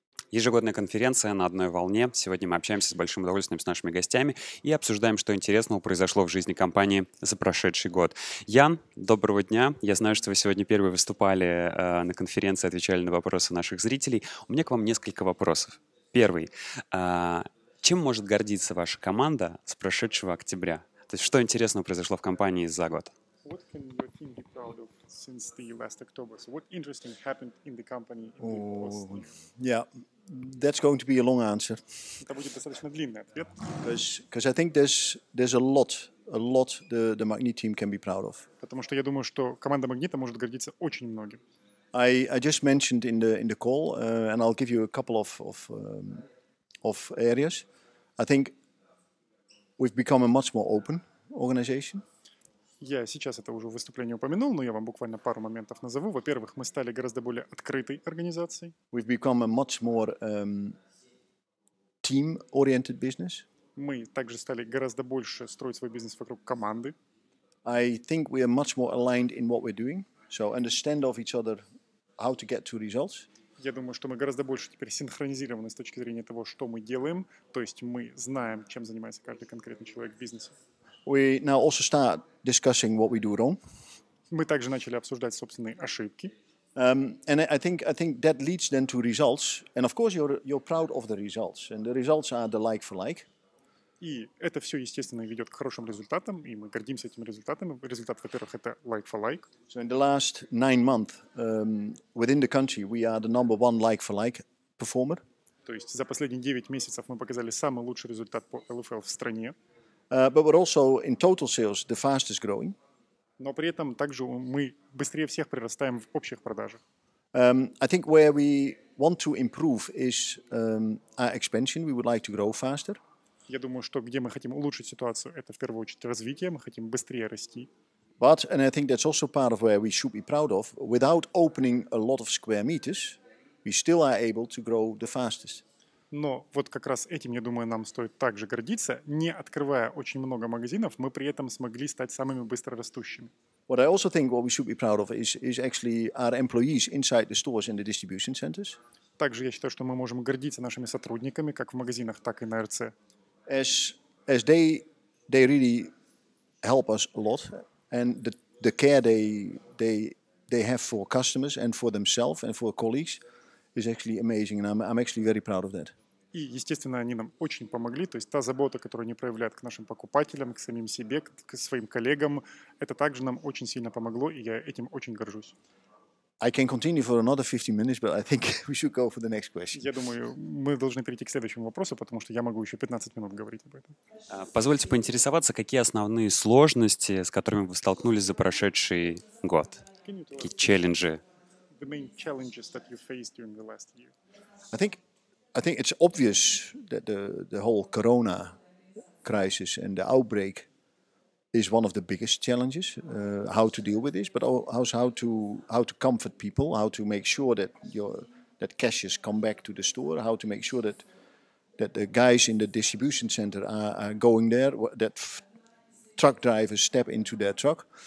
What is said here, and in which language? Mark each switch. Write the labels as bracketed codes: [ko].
[ru] Ежегодная конференция на одной волне. Сегодня мы общаемся с большим удовольствием с нашими гостями и обсуждаем, что интересного произошло в жизни компании за прошедший год. Ян, доброго дня. Я знаю, что вы сегодня первые выступали на конференции, отвечали на вопросы наших зрителей. У меня к вам несколько вопросов. Первый. Чем может гордиться ваша команда с прошедшего октября? То есть что интересного произошло в компании за год? [en] What can your team be proud of since the last October? So what interesting happened in the company in the past year? Yeah, that's going to be a long answer. Because I think there's a lot the Magnit team can be proud of. [ru] Потому что я думаю, что команда Магнита может гордиться очень многим. [en] I just mentioned in the call, and I'll give you a couple of areas. I think we've become a much more open organization. [ru] Я сейчас это уже в выступлении упомянул, но я вам буквально пару моментов назову. Во-первых, мы стали гораздо более открытой организацией. [en] We've become a much more team-oriented business. [ru] Мы также стали гораздо больше строить свой бизнес вокруг команды. [en] I think we are much more aligned in what we're doing, so understand of each other how to get to results. [ru] Я думаю, что мы гораздо больше теперь синхронизированы с точки зрения того, что мы делаем, то есть мы знаем, чем занимается каждый конкретный человек в бизнесе. [en] We now also start discussing what we do wrong. [ru] Мы также начали обсуждать собственные ошибки. [en] And I think that leads then to results. And of course, you're proud of the results. And the results are the like for like. [ru] И это все, естественно, ведет к хорошим результатам, и мы гордимся этими результатами. Результат, во-первых, это like for like. [en] So in the last 9 months, within the country, we are the number one like for like performer. [ru] То есть за последние 9 месяцев мы показали самый лучший результат по LFL в стране. [en] But we're also in total sales the fastest growing. [ru] Но при этом также мы быстрее всех прирастаем в общих продажах. [en] I think where we want to improve is our expansion. We would like to grow faster. [ru] Я думаю, что где мы хотим улучшить ситуацию, это в первую очередь развитие. Мы хотим быстрее расти. [en] But and I think that's also part of where we should be proud of. Without opening a lot of square meters, we still are able to grow the fastest. [ru] Но вот как раз этим, я думаю, нам стоит также гордиться. Не открывая очень много магазинов, мы при этом смогли стать самыми быстрорастущими. [en] What I also think what we should be proud of is actually our employees inside the stores and the distribution centers. [ru] Также я считаю, что мы можем гордиться нашими сотрудниками, как в магазинах, так и на РЦ. [en] As they really help us a lot, and the care they have for customers and for themselves and for colleagues is actually amazing, and I'm actually very proud of that. [ru] И, естественно, они нам очень помогли, то есть та забота, которую они проявляют к нашим покупателям, к самим себе, к своим коллегам, это также нам очень сильно помогло, и я этим очень горжусь. [en] I can continue for another 15 minutes, but I think we should go for the next question. [ru] Я думаю, мы должны перейти к следующему вопросу, потому что я могу еще 15 минут говорить об этом. Позвольте поинтересоваться, какие основные сложности, с которыми вы столкнулись за прошедший год? Какие челленджи? [en] The main challenges that you faced during the last year. I think it's obvious that the whole Corona crisis and the outbreak is one of the biggest challenges. How to deal with this, but also how to comfort people, how to make sure that that cashiers come back to the store, how to make sure that the guys in the distribution center are going there, that truck drivers step into their truck.